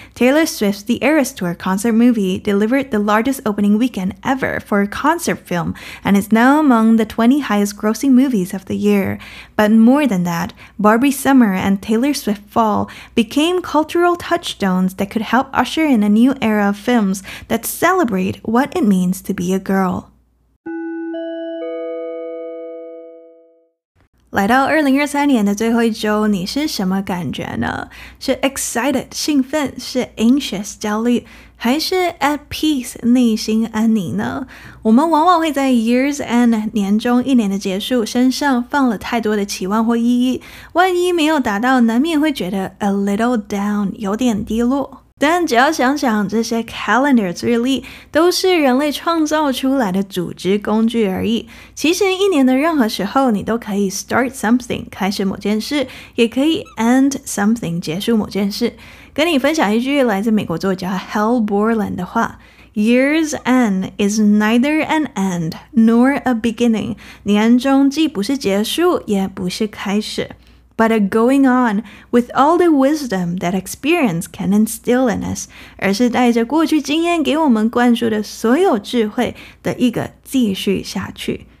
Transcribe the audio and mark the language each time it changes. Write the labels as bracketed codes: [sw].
[en] Taylor Swift's The Eras Tour concert movie delivered the largest opening weekend ever for a concert film and is now among the 20 highest grossing movies of the year. But more than that, Barbie Summer and Taylor Swift Fall became cultural touchstones that could help usher in a new era of films that celebrate what it means to be a girl. [zh] 来到2023年的最后一周，你是什么感觉呢？是 [en] excited [zh] 兴奋，是 [en] anxious [zh] 焦虑，还是 [en] at peace [zh] 内心安宁呢？我们往往会在 [en] year's end [zh] 年终一年的结束身上放了太多的期望或意义，万一没有达到，难免会觉得 [en] a little down [zh] 有点低落。但只要想想这些 [en] calendar [zh] 日历都是人类创造出来的组织工具而已，其实一年的任何时候你都可以 [en] start something [zh] 开始某件事，也可以 [en] end something [zh] 结束某件事。跟你分享一句来自美国作家 Hal Borland 的话， [en] Year's end is neither an end nor a beginning， [zh] 年终既不是结束也不是开始。 [en] but a going on with all the wisdom that experience can instill in us. [zh] 而是带着过去经验给我们灌输的所有智慧的一个继续下去。